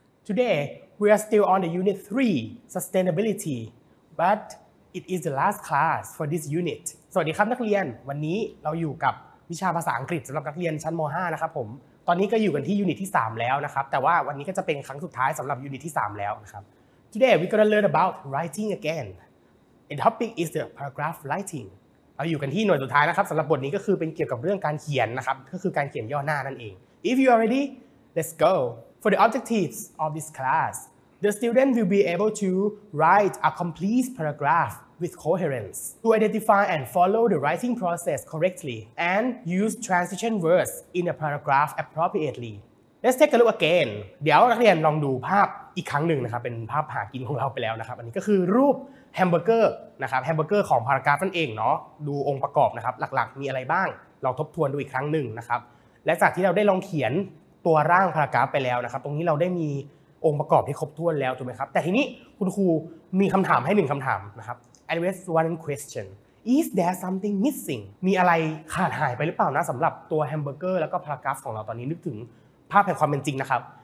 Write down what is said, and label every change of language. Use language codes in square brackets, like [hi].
[en] Today, we are still on the unit 3, sustainability. But it is the last class for this unit. [th] สวัสดีครับนักเรียนวันนี้เราอยู่กับวิชาภาษาอังกฤษสําหรับนักเรียนชั้นม.5 นะครับผมตอนนี้ก็อยู่กันที่ยูนิตที่3แล้วนะครับแต่ว่าวันนี้ก็จะเป็นครั้งสุดท้ายสําหรับยูนิตที่3แล้วนะครับ [en] Today, we're going to learn about writing again. The topic is the paragraph writing. [th] เราอยู่กันที่หน่วยสุดท้ายนะครับสำหรับบทนี้ก็คือเป็นเกี่ยวกับเรื่องการเขียนนะครับก็คือการเขียนย่อหน้านั่นเอง [en] If you are ready, let's go. For the objectives of this class, the student will be able to write a complete paragraph with coherence, to identify and follow the writing process correctly, and use transition words in a paragraph appropriately. Let's take a look again. [th] เดี๋ยวนักเรียนลองดูภาพอีกครั้งหนึ่งนะครับเป็นภาพหากินของเราไปแล้วนะครับอันนี้ก็คือรูปแฮมเบอร์เกอร์นะครับแฮมเบอร์เกอร์ของพารากราฟนั่นเองเนาะดูองค์ประกอบนะครับหลักๆมีอะไรบ้างเราทบทวนดูอีกครั้งหนึ่งนะครับและจากที่เราได้ลองเขียนตัวร่างพารากราฟไปแล้วนะครับตรงนี้เราได้มีองค์ประกอบที่ครบถ้วนแล้วถูกไหมครับแต่ทีนี้คุณครูมีคำถามให้หนึ่งคำถามนะครับ [en] address one question is there something missing [th] มีอะไรขาดหายไปหรือเปล่านะสำหรับตัวแฮมเบอร์เกอร์แล้วก็พารากราฟของเราตอนนี้นึกถึงภาพแห่งความเป็นจริงนะครับ